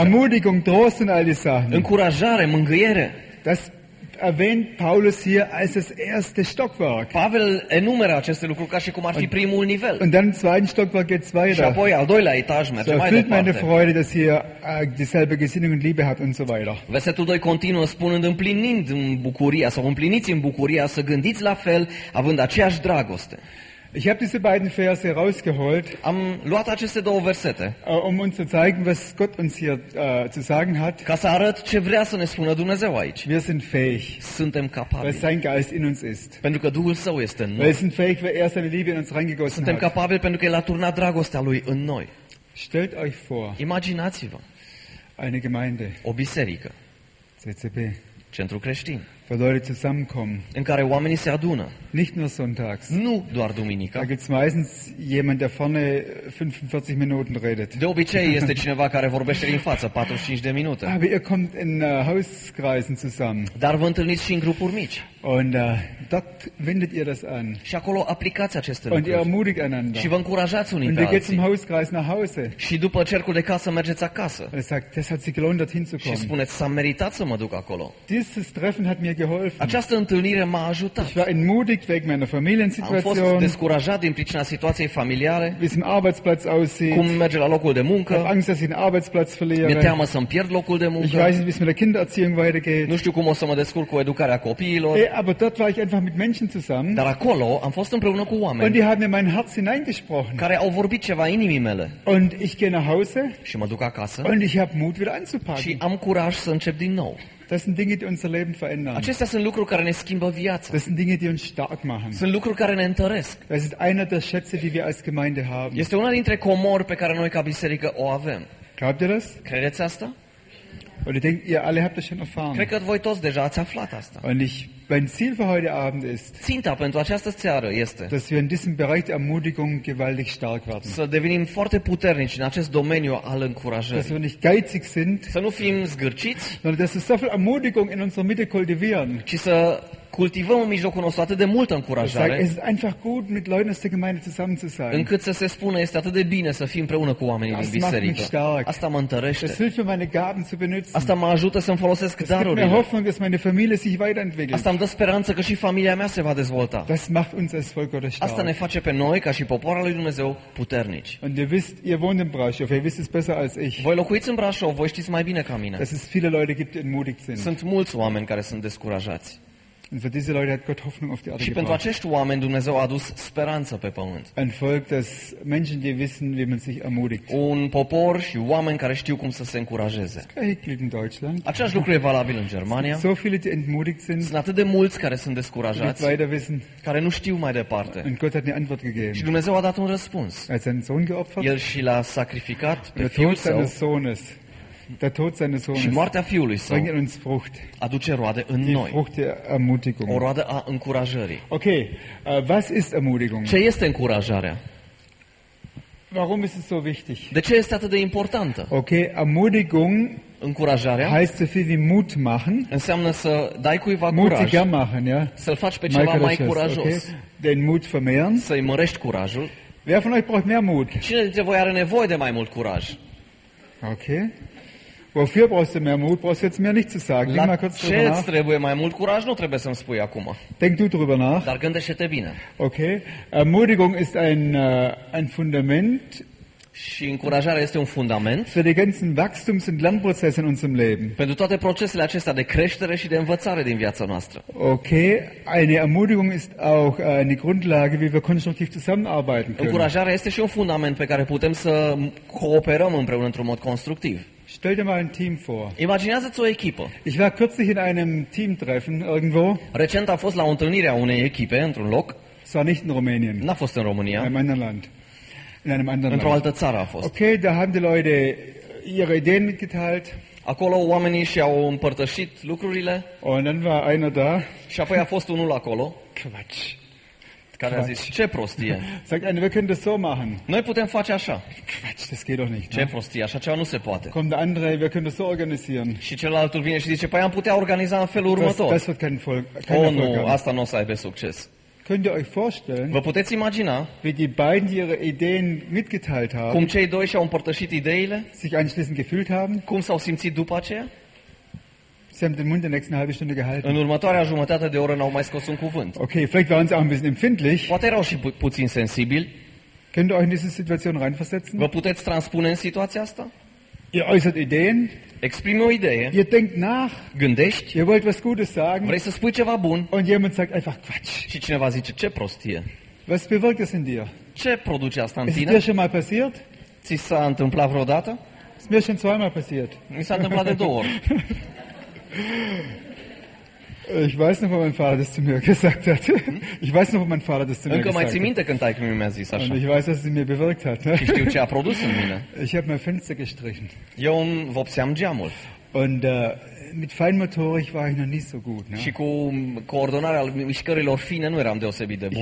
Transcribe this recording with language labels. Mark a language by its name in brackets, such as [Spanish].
[German] Ermutigung, Trost in all die Sachen. [Romanian] Încurajare, mângâiere. [German] Das erwähnt Paulus hier als das erste Stockwerk. [Romanian] Pavel enumeră aceste lucruri ca și cum ar fi primul nivel. [German] Und dann im zweiten Stockwerk geht's weiter. [Romanian] Și apoi al doilea etaj merge mai departe. [German] So erfüllt meine Freude, dass ihr dieselbe Gesinnung und Liebe habt und so weiter. [Romanian] Versetul 2 continuă spunând împlinind în bucuria sau împliniți în bucuria să gândiți la fel, având aceeași dragoste. [German] Ich habe diese beiden Verse rausgeholt. [Romanian] Am luat aceste două versete. [German] Um uns zu zeigen, was Gott uns hier zu sagen hat. [Romanian] Ca să arăt ce vrea să ne spună Dumnezeu aici. [German] Wir sind fähig. [Romanian] Suntem capabili. [German] Weil sein Geist in uns ist. [Romanian] Pentru că Duhul Său este în noi. [German] Wir sind fähig, weil er seine Liebe in uns reingegossen hat. [Romanian] Suntem capabili pentru că el a turnat dragostea lui în noi. [German] Stellt euch vor. [Romanian] Imaginați-vă. [German] Eine Gemeinde. [Romanian] O biserică. [German] CCB. [Romanian] Centru creștin. [German] Wo Leute zusammenkommen. [Romanian] În care oamenii se adună. [German] Nicht nur sonntags. [Romanian] Nu doar duminica. [German] Da gibt's meistens jemand, der vorne 45 Minuten redet. [Romanian] De obicei este cineva care vorbește din față 45 de minute. [German] Aber ihr kommt in Hauskreisen zusammen. [Romanian] Dar vă întâlniți și în grupuri mici. [German] Und dort wendet ihr das an. [Romanian] Și acolo aplicați aceste lucruri. [German] Und ihr ermutigt einander. [Romanian] Și vă încurajați unii pe alții. [German] Und ihr geht zum Hauskreis nach Hause. [Romanian] Și după cercul de casă mergeți acasă. [German] Und sagt, das hat sich gelohnt, dorthin zu kommen. [Romanian] Și spuneți, s-a meritat să mă duc acolo. [German] Dieses Treffen hat mir geholfen. [Romanian] Această întâlnire m-a ajutat. [German] Ich war entmutigt wegen meiner Familiensituation. [Romanian] Am fost descurajat din pricina situației familiare. [German] Wie es im Arbeitsplatz aussieht. [Romanian] Cum merge la locul de muncă. [German] Habe Angst, dass ich den Arbeitsplatz verliere. [Romanian] Mi-e teamă să-mi pierd locul de muncă. [German] Ich weiß nicht, wie es mit der Kindererziehung weitergeht. [Romanian] Nu știu cum o să mă descurc cu educarea copiilor. [German] Aber dort war ich einfach mit Menschen zusammen. [Romanian] Dar acolo am fost împreună cu oameni. [German] Und die haben in mein Herz hineingesprochen. [Romanian] Care au vorbit ceva inimii mele. [German] Und ich gehe nach Hause. [Romanian] Și mă duc acasă. [German] Und ich habe Mut wieder anzupacken. [Romanian] Și am curaj să încep din nou. [German] Das sind Dinge, die unser Leben verändern. [Romanian] Acestea sunt lucruri care ne schimbă viața. [German] Das sind Dinge, die uns stark machen. [Romanian] Sunt lucruri care ne întăresc. [German] Das ist einer der Schätze, die wir als Gemeinde haben. [Romanian] Este una dintre comori pe care noi ca biserică o avem. [German] Glaubt ihr das? [Romanian] Credeți asta? [German] Und ich denke, ihr alle habt das schon erfahren. [Romanian] Cred că voi toți deja ați aflat asta. [German] Und ich, mein Ziel für heute Abend ist, [Romanian] ținta pentru această seară este, [German] dass wir in diesem Bereich der Ermutigung gewaltig stark werden. [Romanian] Să devenim foarte puternici în acest domeniu al încurajării. [German] Dass wir nicht geizig sind, [Romanian] să nu fim zgârciți, [German] sondern dass wir so viel Ermutigung in unserer Mitte kultivieren. [Romanian] Ci să cultivăm în mijlocul nostru atât de multă încurajare. [German] Es ist einfach gut mit Leuten aus der Gemeinde zusammen zu sein. [Romanian] Încât să se spună este atât de bine să fii împreună cu oamenii din biserică. Asta mă întărește. [German] Es hilft mir meine Gaben zu benutzen. [Romanian] Asta mă ajută să-mi folosesc darurile. [German] Es gibt mir Hoffnung, dass meine Familie sich weiterentwickelt. [Romanian] Asta îmi dă speranță că și familia mea se va dezvolta. [German] Das macht uns als Volk Gottes stark. [Romanian] Asta ne face pe noi ca și popor al lui Dumnezeu puternici. [German] Und ihr wisst, ihr wohnt in Brașov, ihr wisst es besser als ich. [Romanian] Voi locuiți în Brașov, voi știți mai bine ca mine. [German] Es ist viele Leute gibt, die entmutigt sind. [Romanian] Sunt mulți oameni care sunt descurajați. [German] Und für diese Leute hat Gott Hoffnung auf die Erde. [Romanian] Și pentru acești oameni Dumnezeu a adus speranță pe pământ. [German] Ein Volk, das Menschen, die wissen, wie man sich ermutigt. [Romanian] Un popor și oameni care știu cum să se încurajeze. [German] In Deutschland. [Romanian] Același lucru e valabil în Germania. [German] So viele, die entmutigt sind. [Romanian] Sunt atât de mulți care sunt descurajați. [German] Weiter wissen. [Romanian] Care nu știu mai departe. [German] Und Gott hat eine Antwort gegeben. [Romanian] Și Dumnezeu a dat un răspuns. [German] Er hat seinen Sohn geopfert. [Romanian] El și l-a sacrificat pe fiul său. [German] Der Tod seines Sohnes. [Romanian] Și moartea fiului său. [German] Bringt uns Frucht. [Romanian] Aduce roade în noi. [German] Die Frucht der Ermutigung. [Romanian] O roadă a încurajării. [German] Okay, was ist Ermutigung? [Romanian] Ce este încurajarea? [German] Warum ist es so wichtig? [Romanian] De ce este atât de importantă? [German] Okay, Ermutigung. [Romanian] Încurajarea. [German] Heißt so viel wie Mut machen. [Romanian] Înseamnă să dai cuiva [German] Mutiger [Romanian] curaj. [German] Mutiger machen, ja. [Romanian] Să-l faci pe cineva mai curajos. [German] Okay. Den Mut vermehren. [Romanian] Să-i mărești curajul. [German] Wer von euch braucht mehr Mut? [Romanian] Cine dintre voi are nevoie de mai mult curaj? [German] Okay. Wofür brauchst du mehr Mut? Brauchst du jetzt mehr nicht zu sagen. La mal kurz [Romanian] ce îți trebuie mai mult curaj? Nu trebuie să-mi spui acum. [German] Denk du drüber nach. [Romanian] Dar gândește-te bine. [German] Okay. Ermutigung ist ein Fundament. [Romanian] Și încurajarea este un fundament. [German] Für die ganzen Wachstums- und Lernprozesse in unserem Leben. [Romanian] Pentru toate procesele acestea de creștere și de învățare din viața noastră. [German] Okay. Eine Ermutigung ist auch eine Grundlage, wie wir konstruktiv zusammenarbeiten können. [Romanian] Încurajarea este și un fundament pe care putem să cooperăm împreună într-un mod constructiv. [German] Stell dir mal ein Team vor. [Romanian] Imaginează-ți o echipă. [German] Ich war kürzlich in einem Teamtreffen irgendwo. [Romanian] Recent am fost la o întâlnire a unei echipe într-un loc. [German] Es war nicht in Rumänien. [Romanian] N-a fost în România. [German] In einem anderen Land. In einem anderen [Romanian] Land. Într-o altă țară a fost. [German] Okay, da haben die Leute ihre Ideen mitgeteilt. [Romanian] Acolo oamenii și-au împărtășit lucrurile. [German] Und dann war einer da. [Romanian] Și apoi a fost unul acolo. [German] Quatsch. [Romanian] Care a zis, ce prostie. [German] Sagt einer, wir können das so machen. [Romanian] Noi putem face așa. [German] Quatsch, das geht doch nicht. [Romanian] Ce prostie, așa ceva nu se poate. [German] Kommt der andere, wir können das so organisieren. [Romanian] Și celălalt vine și zice, păi am putea organiza în felul următor. [German] Das wird kein Erfolg. [Romanian] Oh, nu, asta nu o să aibă succes. [German] Könnt ihr euch vorstellen? [Romanian] Vă puteți imagina? [German] Wie die beiden ihre Ideen mitgeteilt haben? [Romanian] Cum cei doi și-au împărtășit ideile? [German] Sich anschließend gefühlt haben? [Romanian] Cum s-au simțit după aceea? [German] Sie haben den Mund in der nächsten halben Stunde gehalten. [Romanian] În următoarea jumătate de oră n-au mai scos un cuvânt. [German] Okay, vielleicht waren sie auch ein bisschen empfindlich. [Romanian] Poate erau și puțin sensibil. [German] Könnt ihr euch in diese Situation reinversetzen? [Romanian] Vă puteți transpune în situația asta? [German] Ihr äußert Ideen. [Romanian] Exprimi o idee. [German] Ihr denkt nach. [Romanian] Gândești. [German] Ihr wollt was Gutes sagen. [Romanian] Vrei să spui ceva bun. [German] Und jemand sagt einfach Quatsch. [Romanian] Și cineva zice, ce prostie. [German] Was bewirkt es in dir? [Romanian] Ce produce asta în [German] ist [Romanian] tine? [German] Ist dir schon mal passiert? [Romanian] Ți s-a întâmplat vreodată? [German] Ist mir schon zweimal passiert. [Romanian] Mi s-a întâmplat de două ori. [German] Ich weiß noch, wo mein Vater das zu mir gesagt hat. Ich weiß noch, wo mein Vater das zu mir gesagt hat. [Romanian] Minte, când taică-mi mi-a zis așa. [German] Und ich weiß, was es mir bewirkt hat. [Romanian] Știu ce a produs în mine. [German] Ich habe mein Fenster gestrichen. [Romanian] Eu îmi vopseam geamul. [German] Und mit Feinmotorik war ich noch nicht so gut. [Romanian] Și cu coordonarea mișcărilor fine nu eram deosebit de bun.